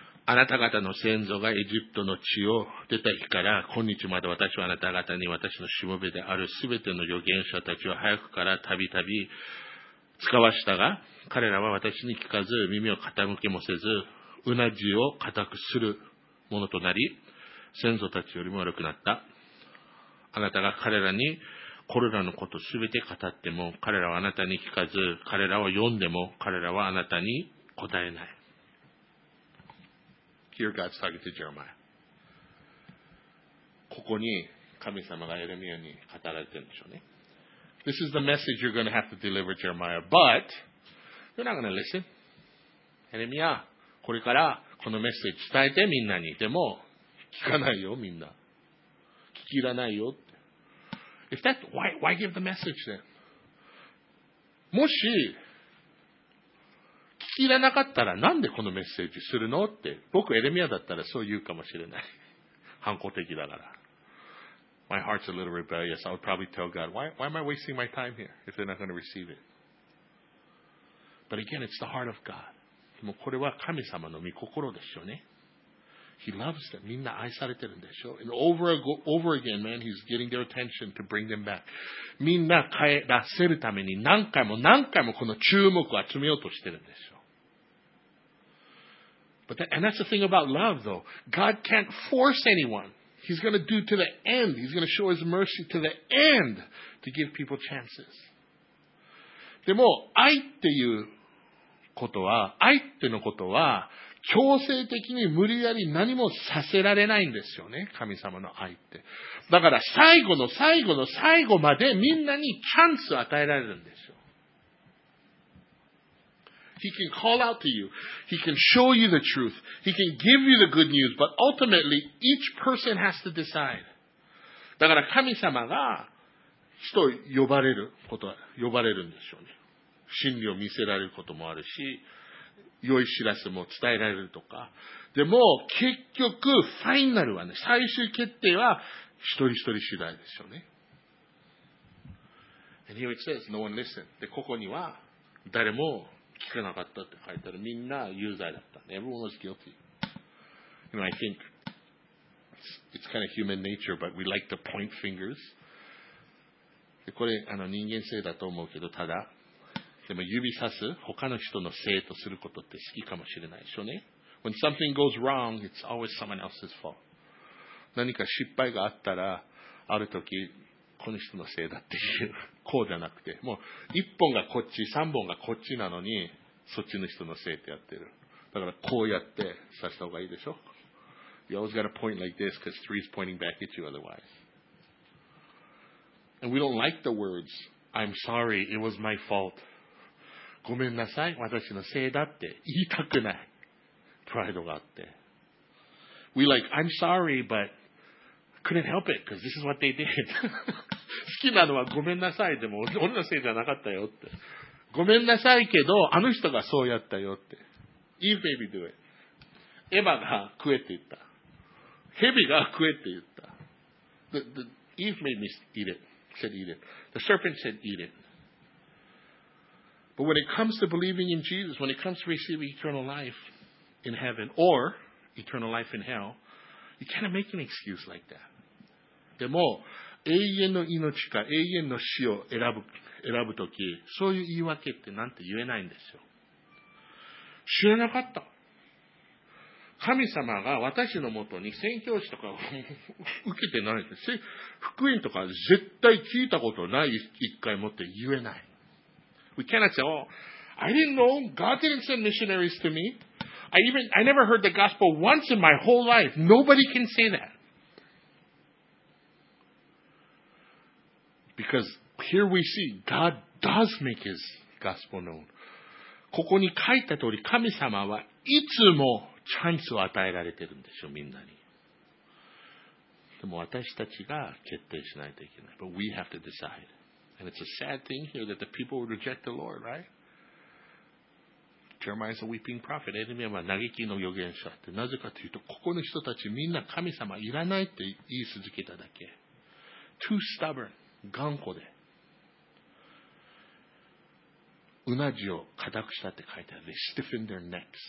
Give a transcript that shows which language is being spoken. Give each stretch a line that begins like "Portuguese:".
Japanese: あなた方の先祖がエジプトの地を出た日から今日まで私はあなた方に私のしもべであるすべての預言者たちを早くからたびたび使わしたが彼らは私に聞かず耳を傾けもせずうなじを固くするものとなり先祖たちよりも悪くなったあなたが彼らにこれらのことすべて語っても彼らはあなたに聞かず彼らは読んでも彼らはあなたに答えない
English: Here God's talking to Jeremiah.
Japanese: ここに神様がエレミアに語られてるんでしょうね。
English: This is the message you're going to have to deliver, Jeremiah, but you're not going to listen.
Japanese: エレミア、これからこのメッセージ伝えてみんなに。でも、聞かないよ、みんな。聞きらないよって。
English: If that, why give the message then?
Japanese: もし、聞きらなかったらなんでこのメッセージするのって僕エレミアだったらそう言うかもしれない反抗的だから
English: My heart's a little rebellious I would probably tell God why am I wasting my time here if they're not going to receive it But again it's the heart of God
Japanese: もうこれは神様の御心でしょうね
English: He loves them
Japanese: みんな愛されてるんでしょう
English: And over again man he's getting their attention to bring them back
Japanese: みんな帰らせるために何回も何回もこの注目を集めようとしてるんでしょう
English: But that, and that's the thing about love though God can't force anyone He's going to do to the end He's going to show his mercy to the end to give people chances
Japanese: でも愛っていうことは愛ってのことは強制的に無理やり何もさせられないんですよね、神様の愛って。だから最後の最後の最後までみんなにチャンスを与えられるんですよ。
English: He can call out to you. He can show you the truth. He can give you the good news. But ultimately, each person has to decide.
Japanese: だから神様が人を呼ばれることは、呼ばれるんですよね。真理を見せられることもあるし、良い知らせも伝えられるとか。でも、結局、ファイナルはね、最終決定は一人一人次第ですよね。
English: And here it says, no one listened.
Japanese: で、ここには誰も聞かなかったって書いてある。みんな有罪だった。
English: Everyone was guilty. You know, I think it's kind of human nature, but we like to point fingers.
Japanese: で、これ、人間性だと思うけど、ただ、でも指さす他の人のせいとすることって好きかもしれないでしょうね。
English: When something goes wrong, it's always someone else's fault.
Japanese: 何か失敗があったら、ある時、この人のせいだっていう。こうじゃなくて、もう、一本がこっち、三本がこっちなのに、そっちの人のせいってやってる。だから、こうやってさせた方がいいでしょ。
English: You always gotta point like this, because three is pointing back at you otherwise. And we don't like the words, I'm sorry, it was my fault.
Japanese: ごめんなさい、私のせいだって言いたくない。プライドがあって。
English: We like, I'm sorry, but couldn't help it, because this is what they did.
Japanese: 好きなのはごめんなさい、でも俺のせいじゃなかったよって。ごめんなさいけど、あの人がそうやったよって。
English: Eve, baby, do it.
Japanese: エヴァが食えって言った。ヘビが食えって言った。
English: Eve made me eat it. Said eat it. The serpent said eat it. But when it comes to believing in Jesus, when it comes to receiving eternal life in heaven or eternal life in hell, you cannot make an excuse like that.
Japanese: でも、永遠の命か永遠の死を選ぶとき、そういう言い訳ってなんて言えないんですよ。知らなかった。神様が私のもとに宣教師とか受けてないです。福音とか絶対聞いたことない一回もって言えない。
English: We cannot say, oh, I didn't know. God didn't send missionaries to me. I never heard the gospel once in my whole life. Nobody can say that. Because here we see God does make his gospel known.
Japanese: ここに書いた通り、神様はいつもチャンスを与えられてるんでしょ、みんなに。でも私たちが決定しないといけない。
English: But we have to decide. And it's a sad thing here that the people would reject the Lord, right? Jeremiah is a weeping prophet.
Japanese: エレミアは嘆きの預言者って。なぜかというと、ここの人たちみんな神様いらないって言い続けただけ。
English: Too stubborn.
Japanese: 頑固で。うなじを固くしたって書いてある。
English: They stiffen their necks.